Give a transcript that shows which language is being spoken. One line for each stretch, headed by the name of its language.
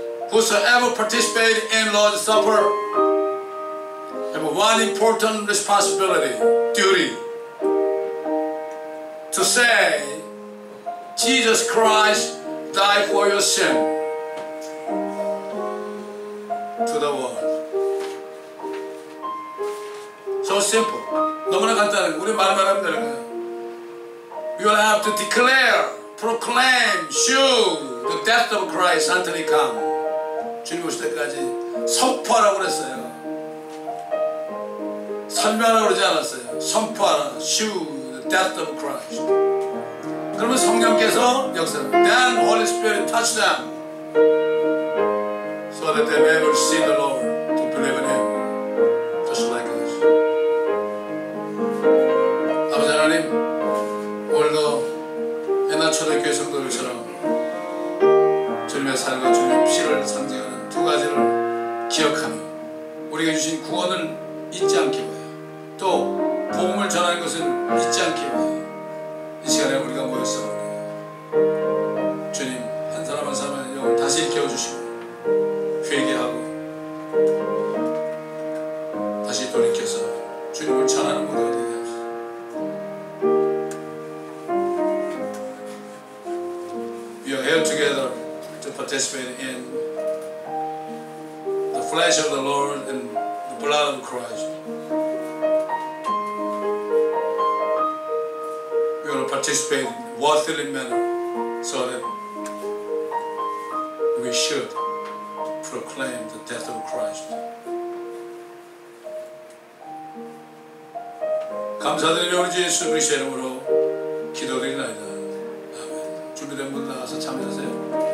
English: Whosoever participate in Lord's Supper have one important responsibility, duty, to say, Jesus Christ died for your sin to the world. So simple.
Korean: 너무나 간단한 거. 우리 말만 하면 되는 거야.
English: You will have to declare, proclaim, show the death of Christ until he comes.
Korean: 주님 오실 때까지 선포하라고 그랬어요. 선명하라고 그러지 않았어요. 선포하라.
English: Shew the death of Christ.
Korean: 그러면 성령께서 역사를
English: Then Holy Spirit touch them so that they may receive the Lord to believe in Him. Just like us.
Korean: 아버지 하나님 오늘도 옛날 초대교회 성도들처럼 주님의 살과 주님의 피를 상징 두 가지를 기억하며 우리가 주신 구원을 잊지 않게 해요. 또 복음을 전하는 것은 잊지 않게 해요. 이 시간에 우리가 모였습니다. 주님 한 사람 한 사람을 다시 일깨워 주시고 회개하고 다시 돌이켜서 주님을 전하는 모습을 드리겠습니다.
English: We are here together to participate in flesh of the Lord and the blood of Christ. We want to participate in a worthy manner so that we should proclaim the death of Christ.
Korean: 감사드리며 우리 예수 그리스도의 이름으로 기도드리나이다. 아멘. 준비된 분 나와서 참여하세요.